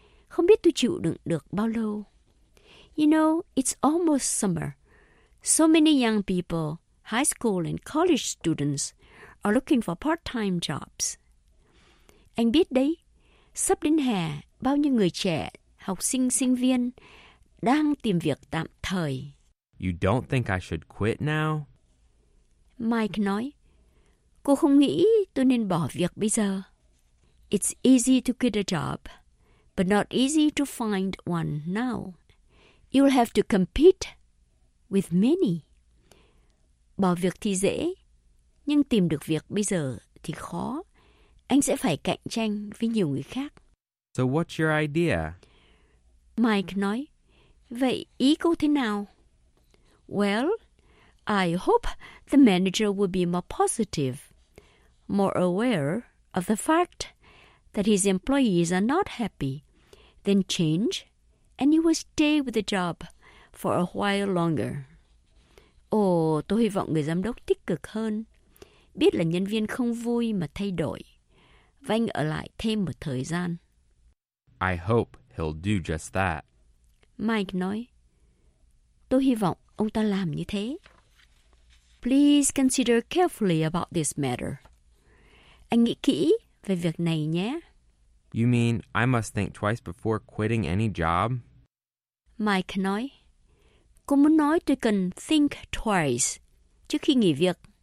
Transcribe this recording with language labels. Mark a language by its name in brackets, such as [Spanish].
[Vietnamese] Không biết tôi chịu đựng được bao lâu. [English] You know, it's almost summer. So many young people, high school and college students, are looking for part-time jobs. [Vietnamese] Anh biết đấy, sắp đến hè, bao nhiêu người trẻ, học sinh, sinh viên, đang tìm việc tạm thời. [English] You don't think I should quit now? [Vietnamese] Mike nói, cô không nghĩ tôi nên bỏ việc bây giờ. [English] It's easy to quit a job, but not easy to find one now. You'll have to compete with many. [Vietnamese] Bỏ việc thì dễ, nhưng tìm được việc bây giờ thì khó. Anh sẽ phải cạnh tranh với nhiều người khác. [English] So what's your idea? [Vietnamese] Mike nói, vậy ý cô thế nào? [English] Well, I hope the manager will be more positive, more aware of the fact that his employees are not happy, then change, and he will stay with the job for a while longer. [Vietnamese] Tôi hy vọng người giám đốc tích cực hơn, biết là nhân viên không vui mà thay đổi, và anh ở lại thêm một thời gian. [English] I hope he'll do just that. [Vietnamese] Mike nói, tôi hy vọng ông ta làm như thế. [English] Please consider carefully about this matter. [Vietnamese] Anh nghĩ kỹ về việc này nhé. [English] You mean I must think twice before quitting any job? [Vietnamese] Mike nói, cô muốn nói tôi cần think twice trước khi nghỉ việc.